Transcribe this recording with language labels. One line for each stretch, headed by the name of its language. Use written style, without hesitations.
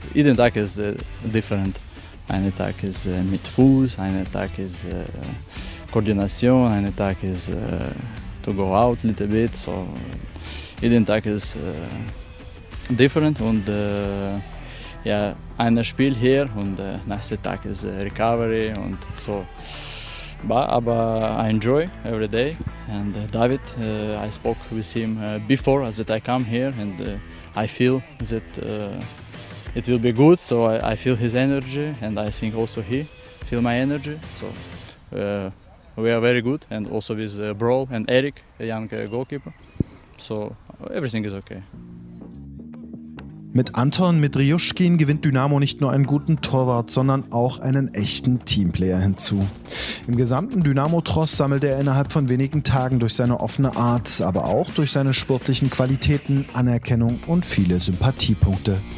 German: Jeden Tag ist different. Ein Tag ist mit Fuß, ein Tag ist Koordination, ein Tag ist
English: to go out a little bit.
German: So, jeden Tag ist different und ja, ein Spiel hier und nächste Tag ist Recovery und so. Aber
English: I enjoy every day and David, I spoke with him before that I come here and I feel that it will be good, so I feel his energy and I think also he feel my energy, so we are very good and also with Bro and Eric, a young goalkeeper, so everything is okay.
German: Mit Anton Mitrioschkin gewinnt Dynamo nicht nur einen guten Torwart, sondern auch einen echten Teamplayer hinzu. Im gesamten Dynamo-Tross sammelt er innerhalb von wenigen Tagen durch seine offene Art, aber auch durch seine sportlichen Qualitäten, Anerkennung und viele Sympathiepunkte.